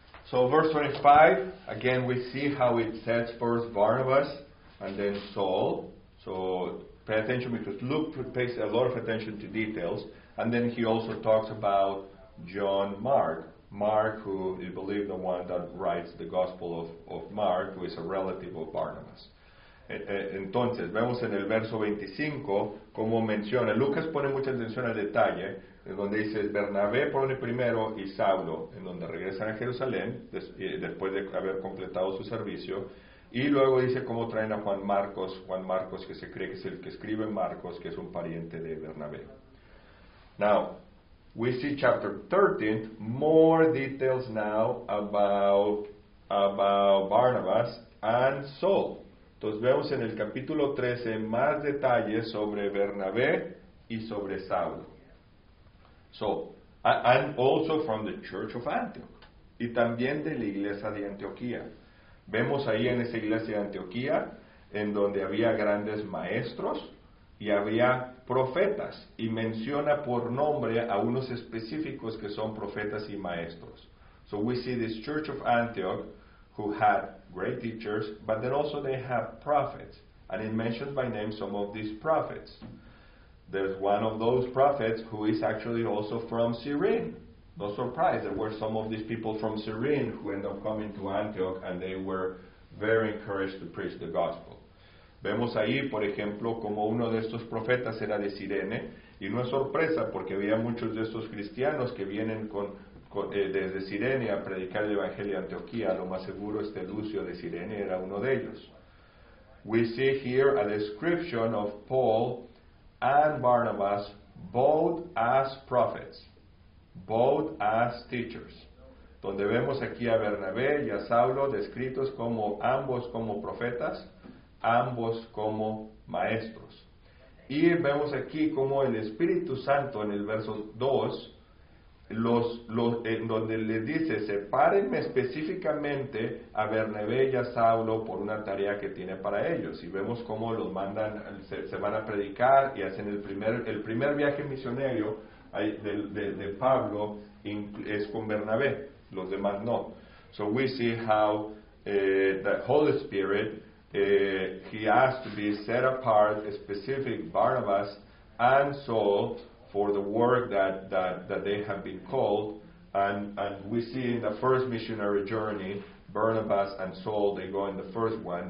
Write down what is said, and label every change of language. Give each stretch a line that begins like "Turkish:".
English: So, verse 25, again, we see how it says first Barnabas and then Saul. So, pay attention because Luke pays a lot of attention to details. And then he also talks about John Mark. Mark, who is believed the one that writes the Gospel of Mark, who is a relative of Barnabas.
Spanish: Entonces, vemos en el verso 25, como menciona, Lucas pone mucha atención al detalle, donde dice, Bernabé pone primero y Saulo, en donde regresan a Jerusalén, después de haber completado su servicio, y luego dice cómo traen a Juan Marcos, que se cree que es el que escribe Marcos, que es un pariente de Bernabé.
English: Now, we see chapter 13, more details now about Barnabas and Saul.
Spanish: Entonces vemos en el capítulo 13 más detalles sobre Bernabé y sobre Saulo.
English: So, and also from the church of Antioch.
Spanish: Y también de la iglesia de Antioquía. Vemos ahí en esa iglesia de Antioquía, en donde había grandes maestros y había profetas. Y menciona por nombre a unos específicos que son profetas y maestros.
English: So we see this church of Antioch who had great teachers, but then also they have prophets. And it mentions by name some of these prophets. There's one of those prophets who is actually also from Cyrene. No surprise, there were some of these people from Cyrene who end up coming to Antioch, and they were very encouraged to preach the gospel.
Spanish: Vemos ahí, por ejemplo, como uno de estos profetas era de Cirene, y no es sorpresa, porque había muchos de estos cristianos que vienen desde Cirene a predicar el Evangelio de Antioquía. Lo más seguro, este Lucio de Cirene era uno de ellos.
English: We see here a description of Paul and Barnabas, both as prophets, both as teachers.
Spanish: Donde vemos aquí a Bernabé y a Saulo descritos como ambos como profetas, ambos como maestros. Y vemos aquí como el Espíritu Santo en el verso 2, donde le dice, sepárenme específicamente a Bernabé y a Saulo por una tarea que tiene para ellos. Y vemos cómo los mandan, se van a predicar y hacen el primer viaje misionero de Pablo es con Bernabé, los demás no.
English: So we see how the Holy Spirit, he asked to be set apart, a specific Barnabas and Saul, for the work that they have been called, and we see in the first missionary journey, Barnabas and Saul, they go in the first one.